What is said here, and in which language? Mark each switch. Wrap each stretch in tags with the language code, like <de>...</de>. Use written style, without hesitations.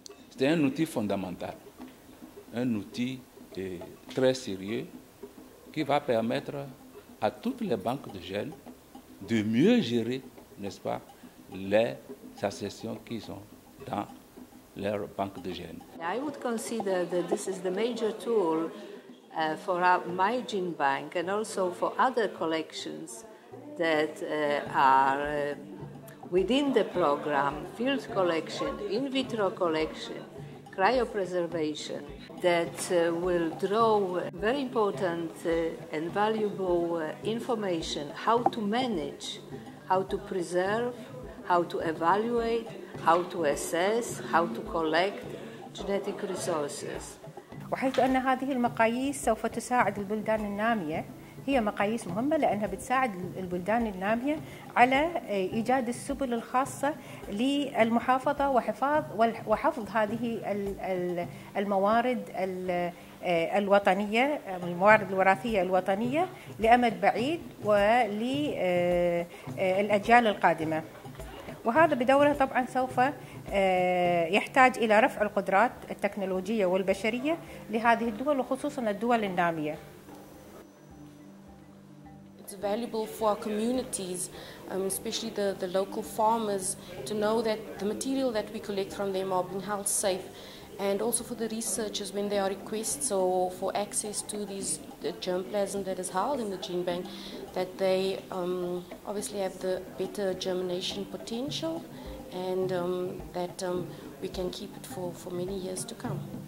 <fr>C'est un outil fondamental, un outil très sérieux qui va permettre à toutes les banques de gènes de mieux gérer, n'est-ce pas, les accessions qu'ils ont dans leur banque de gènes.</fr> <en>I would consider that this is the major tool for my gene bank and also for other collections that are within the program, field collection, in vitro collection, cryopreservation, that will draw very important and valuable information how to manage, how to preserve, how to evaluate, how to assess, how to collect genetic resources.</en> <ar>وحيث أن هذه المقاييس سوف تساعد البلدان النامية هي مقاييس مهمة لأنها بتساعد البلدان النامية على إيجاد السبل الخاصة للمحافظة وحفاظ وحفظ هذه الموارد الوطنية الموارد الوراثية الوطنية لأمد بعيد وللأجيال القادمة وهذا بدوره طبعا سوف يحتاج إلى رفع القدرات التكنولوجية والبشرية لهذه الدول وخصوصا الدول النامية.</ar> <en>It's valuable for our communities, especially the local farmers, to know that the material that we collect from them are being held safe, and also for the researchers when there are requests or for access to these germplasm that is held in the gene bank, that they obviously have the better germination potential, and that we can keep it for many years to come.</en>